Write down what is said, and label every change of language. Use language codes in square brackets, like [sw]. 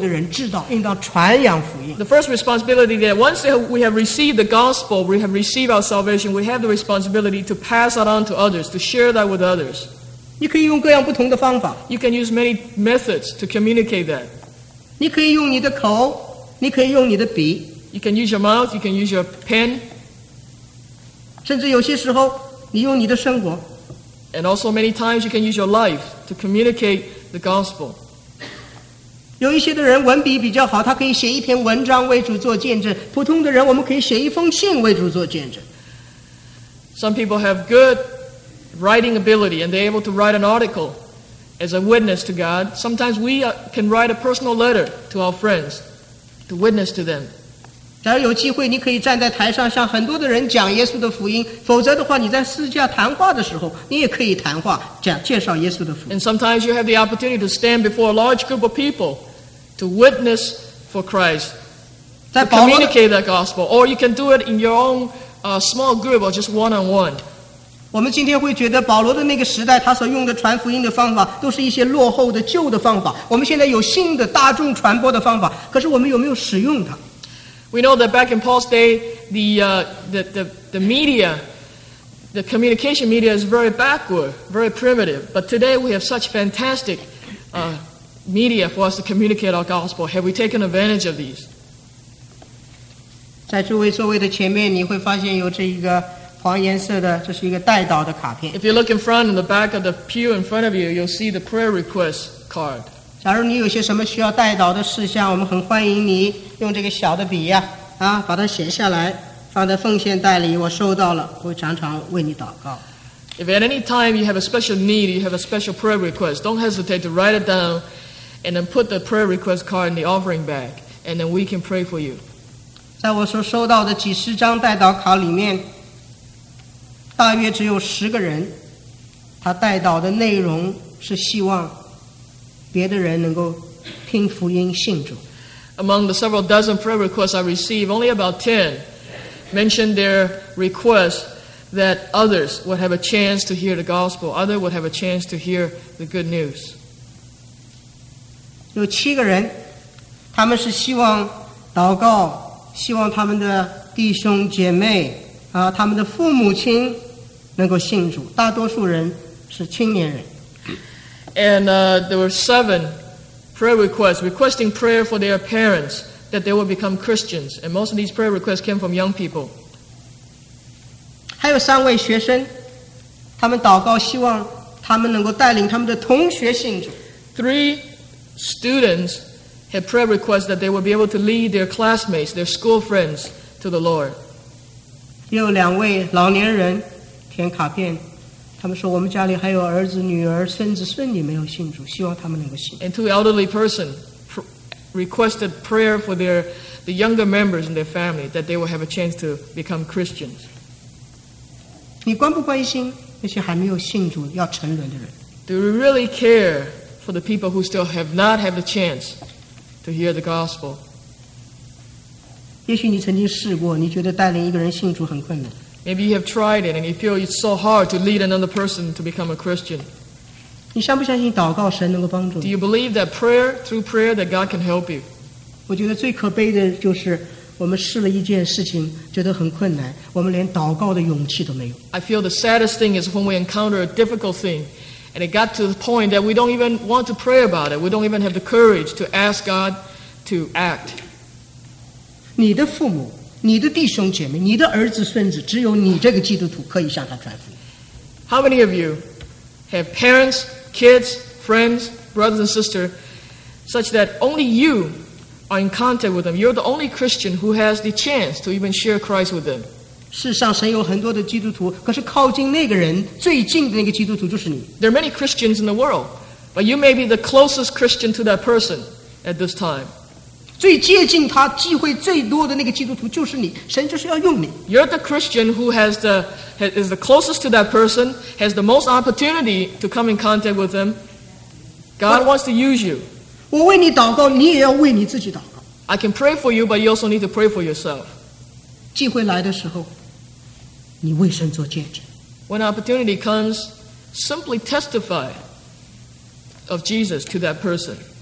[zh] 第一个责任就是我们得到了这个福音以后，我们应当尽量的让我们周围的人知道，应当传扬福音。 [en] The first responsibility that once we have received the gospel, we have received our salvation, we have the responsibility to pass it on to others, to share that with others. [zh] 你可以用各样不同的方法。 [en] You can use many methods to communicate that. [zh] 你可以用你的口，你可以用你的笔。 [en] You can use your mouth, you can use your pen. [zh] 甚至有些时候，你用你的生活。 [en] And also many times you can use your life to communicate the gospel. [zh] 有一些的人文笔比较好，他可以写一篇文章为主做见证。普通的人，我们可以写一封信为主做见证。 [en] Some people have good writing ability and they're able to write an article as a witness to God. Sometimes we can write a personal letter to our friends to witness to them. [zh] 假如有机会，你可以站在台上向很多的人讲耶稣的福音；否则的话，你在私下谈话的时候，你也可以谈话讲介绍耶稣的福音。 [en] And sometimes you have the opportunity to stand before a large group of people to witness for Christ, to communicate that gospel, or you can do it in your own. Small group or just one-on-one. [zh] 我们今天会觉得保罗的那个时代，他所用的传福音的方法都是一些落后的旧的方法。我们现在有新的大众传播的方法，可是我们有没有使用它？ [en] We know that back in Paul's day, the media, the communication media is very backward, very primitive. But today we have such fantastic media for us to communicate our gospel. Have we taken advantage of these? [zh] 在诸位座位的前面，你会发现有这一个黄颜色的，这是一个代祷的卡片。 [en] If you look in front, in the back of the pew in front of you, you'll see the prayer request card. [zh] 假如你有些什么需要代祷的事项，我们很欢迎你用这个小的笔呀、把它写下来，放在奉献袋里。我收到了，我会常常为你祷告。 [en] If at any time you have a special need, you have a special prayer request, don't hesitate to write it down, and then put the prayer request card in the offering bag, and then we can pray for you. [zh] 在我所收到的几十张代祷卡里面，大约只有十个人，他代祷的内容是希望别的人能够听福音信主。 [en] Among the several dozen prayer requests I receive, only about 10 mentioned their request that others would have a chance to hear the gospel, others would have a chance to hear the good news. [zh] 有七个人，他们是希望祷告。希望他们的弟兄姐妹、他们的父母亲能够信主。大多数人是青年人。 [en] And there were 7 prayer requests, requesting prayer for their parents that they would become Christians. And most of these prayer requests came from young people. [zh] 还有三位学生，他们祷告希望他们能够带领他们的同学信主。 [en] 3 students. Had prayer requests that they would be able to lead their classmates, their school friends, to the Lord. [zh] 有两位老年人填卡片，他们说我们家里还有儿子、女儿、孙子、孙女没有信主，希望他们能够信。 [en] And 2 elderly persons requested prayer for the younger members in their family that they would have a chance to become Christians. [zh] 你关不关心那些还没有信主要沉沦的人 [en] ？Do you really care for the people who still have not had the chance? To hear the gospel. [zh] 也许你曾经试过，你觉得带领一个人信主很困难。 [en] Maybe you have tried it and you feel it's so hard to lead another person to become a Christian. [zh] 你相不相信祷告神能够帮助你 [en] ？Do you believe that prayer through prayer that God can help you? [zh] 我觉得最可悲的就是我们试了一件事情，觉得很困难，我们连祷告的勇气都没有。 [en] I feel the saddest thing is when we encounter a difficult thing. And it got to the point that we don't even want to pray about it. We don't even have the courage to ask God to act. [zh] 你的父母、你的弟兄姐妹、你的儿子孙子，只有你这个基督徒可以向他传福音。 [en] How many of you have parents, kids, friends, brothers and sisters, such that only you are in contact with them? You're the only Christian who has the chance to even share Christ with them. [zh] 世上神有很多的基督徒，可是靠近那个人最近的那个基督徒就是你。 [en] There are many Christians in the world, but you may be the closest Christian to that person at this time. [zh] 最接近他、机会最多的那个基督徒就是你。神就是要用你。 [en] You're the Christian who is the closest to that person, has the most opportunity to come in contact with them. God wants to use you. [zh] 我为你祷告，你也要为你自己祷告。 [en] I can pray for you, but you also need to pray for yourself. [zh] 机会来的时候，你为神做见证。 [en] When opportunity comes, simply testify of Jesus to that person.